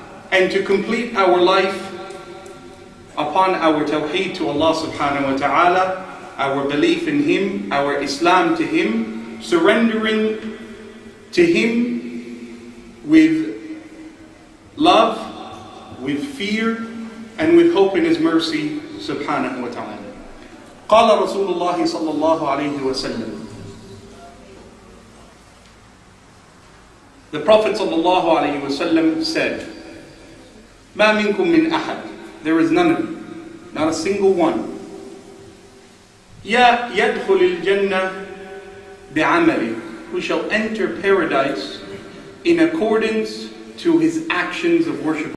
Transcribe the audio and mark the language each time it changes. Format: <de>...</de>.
<en>And to complete our life upon our tawheed to Allah subhanahu wa ta'ala. Our belief in Him, our Islam to Him, surrendering to Him with love, with fear, and with hope in His mercy, subhanahu wa ta'ala.</en> <ar>قال رسول الله صلى الله عليه وسلم.</ar> <en>The Prophet صلى الله عليه وسلم said,</en> <ar>ما منكم من أحد.</ar> <en>There is none of you, not a single one.</en> <ar>يَدْخُلِ الْجَنَّةِ بِعَمَلِهِ,</ar> <en>who shall enter paradise in accordance to his actions of worship.</en>